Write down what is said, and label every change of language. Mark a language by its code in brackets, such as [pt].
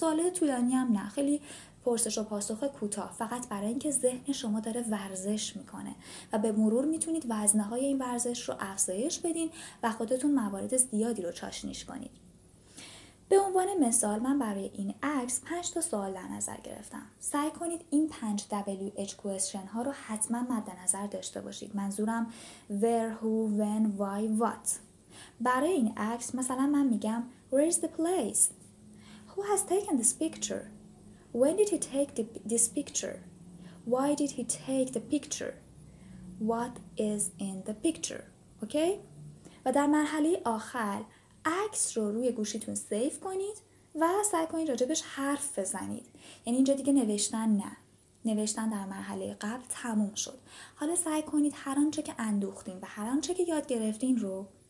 [fa] سوال طولانی هم نه، خیلی پرسش و پاسخ کوتاه، فقط برای اینکه ذهن شما داره ورزش میکنه و به مرور میتونید وزنه های این ورزش رو افزایش بدین و خودتون موارد زیادی رو چاشنیش کنید. به عنوان مثال من برای این عکس 5 تا سوال در نظر گرفتم. سعی کنید این 5 WH question ها رو حتما مد نظر داشته باشید. [en] منظورم where, who, when, why, what. [fa] برای این عکس مثلا من میگم [en] where is the place? Who has taken this picture? When did he take this picture? Why did he take the picture? What is in the picture? Okay? [fa] و در مرحله آخر عکس رو روی گوشیتون سیف کنید و سعی کنید راجبش حرف بزنید. یعنی اینجا دیگه نوشتن نه. نوشتن در مرحله قبل تموم شد. حالا سعی کنید هر آنچه که اندوختین و هر آنچه که یاد گرفتین رو